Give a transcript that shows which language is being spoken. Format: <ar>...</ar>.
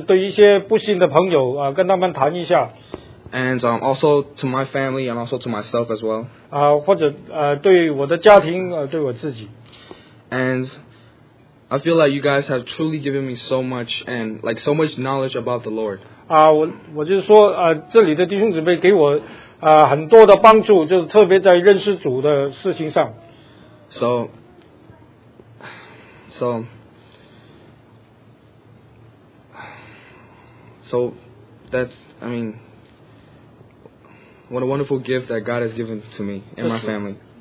<zh>这对我来讲实在是很大的帮助，因为最近我也希望就是对一些不信的朋友跟他们谈一下。</zh> <en>And also to my family and also to myself as well.</en> <zh>或者对我的家庭，对我自己。</zh> <en>And I feel like you guys have truly given me so much and like so much knowledge about the Lord.</en> <zh>我就是说，这里的弟兄姊妹给我很多的帮助，就是特别在认识主的事情上。</zh> <en>So that's, I mean, what a wonderful gift that God has given to me and my family.</en>